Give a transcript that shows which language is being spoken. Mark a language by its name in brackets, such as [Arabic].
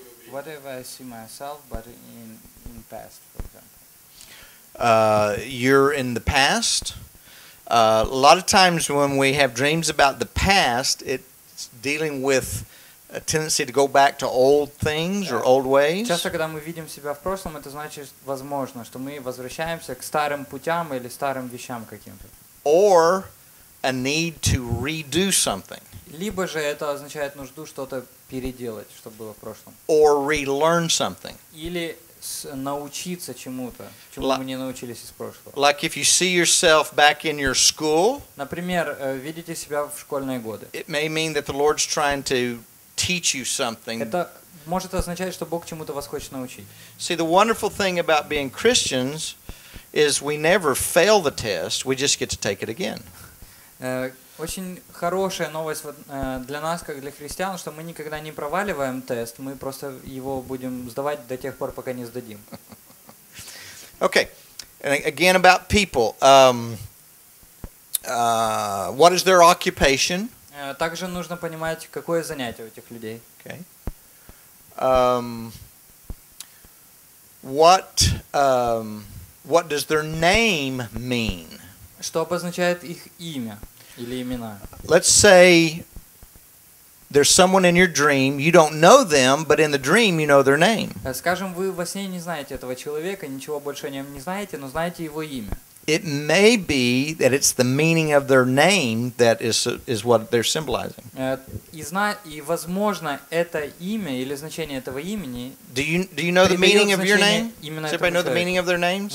[English] What if I see myself, but in past, for example? You're in the past. A lot of times when we have dreams about the past, it's dealing with a tendency to go back to old things or old ways. [Russian] Часто, когда мы видим себя в прошлом, это значит, возможно, что мы возвращаемся к старым путям или старым вещам каким-то. [English] Or a need to redo something. [Russian] Либо же это означает нужду что-то переделать, что было в прошлом. [English] Or relearn something. [Russian] Или научиться чему-то, чему мы не научились из прошлого. [English] Like if you see yourself back in your school, [Russian] например, видите себя в школьные годы. [English] It may mean that the Lord's trying to teach you something. [Russian] Это может означать, что Бог чему-то вас хочет научить. [English] See, the wonderful thing about being Christians is we never fail the test, we just get to take it again. [Russian] Очень хорошая новость для нас, как для христиан, что мы никогда не проваливаем тест, мы просто его будем сдавать до тех пор, пока не сдадим. [English] Okay. And again about people. What is their occupation? [Russian] Также нужно понимать, какое занятие у этих людей. [English] Okay. What does their name mean? [Russian] Что обозначает их имя? [English] Let's say there's someone in your dream, you don't know them, but in the dream you know their name. [Russian] Скажем, вы во сне не знаете этого человека, ничего больше о нем не знаете, но знаете его имя. [English] It may be that it's the meaning of their name that is what they're symbolizing. [Russian] И возможно, это имя или значение этого имени. [English] Do you know the meaning of your name? Does everybody know the meaning of their names?